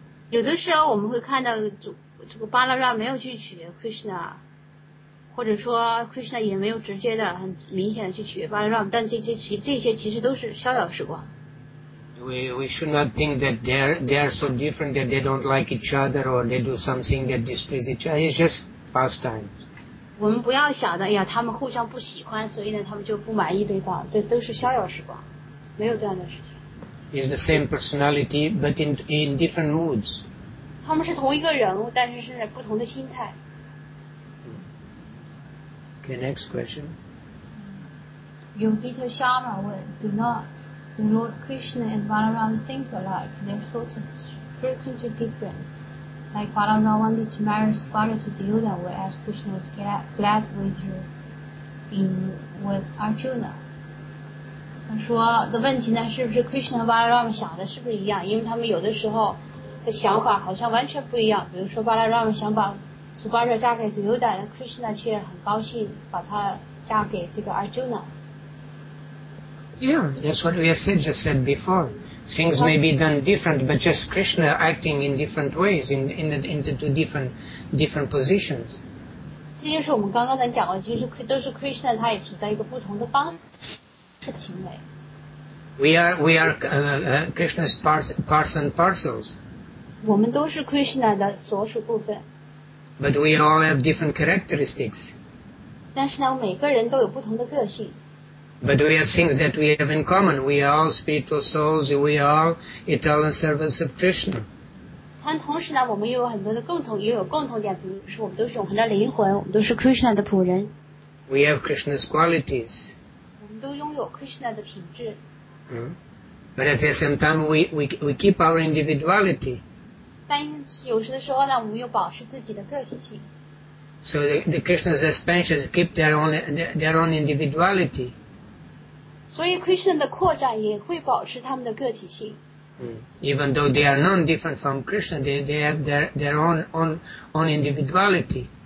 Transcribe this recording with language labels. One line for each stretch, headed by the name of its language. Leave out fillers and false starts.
Chinese: 有的时候我们会看到这个巴拉拉没有去取悦 Krishna, 或者说 Krishna 也没有直接的很明显的去取悦 Balaram, 但这些其实都是逍遥时光。
English: We should not think that they are so different that they don't like each other or they do something that displeases each other. It's just,
Chinese: 我们不要想着，哎呀，他们互相不喜欢，所以呢，他们就不满意对方，这都是逍遥时光，没有这样的事情。
English: Is the same personality, but in different moods.
Chinese: 他们是同一个人物，但是在不同的心态。
English: Okay, next question. Yogita Sharma would do Lord Krishna and Balaram think alike? Their thoughts are frequently different. Like Balarama wanted to marry his father to Duryodhana, whereas Krishna was glad with her being with Arjuna.
Chinese: 他说的问题呢，是不是 Krishna 和 Balarama 想的是不是一样？因为他们有的时候的想法好像完全不一样。比如说 Balarama 想把 Subhadra 嫁给 Duryodhana， Krishna 却很高兴把她嫁给这个 Arjuna。
English: Yeah, that's what we said before. Things may be done different, but just Krishna acting in different ways, into different positions.
Chinese: 这就是我们刚刚才讲的，就是都是 Krishna， 他也是在一个不同的方式的行为。
English: We are Krishna's parts and parcels.
Chinese: 我们都是 Krishna 的所属部分。
English: But we all have different characteristics.
Chinese: 但是呢，每个人都有不同的个性。
English: But we have things that we have in common. We are all spiritual souls. We are all eternal servants of Krishna.
Chinese: 但同时呢，我们也有很多的共同，也有共同点，比如说我们都是永恒的灵魂，我们都是 Krishna 的仆人。
English: We have Krishna's qualities.
Chinese: 我们都拥有 Krishna 的品质。
English: But at the same time, we keep our individuality.
Chinese: 但有时的时候呢，我们又保持自己的个体性。
English: So the Krishna's expansions keep their own individuality.
Chinese: 所以 Krishna 的扩展也会保持他们的个体性。
English: Even though they are non-different from Krishna, they have their own individuality.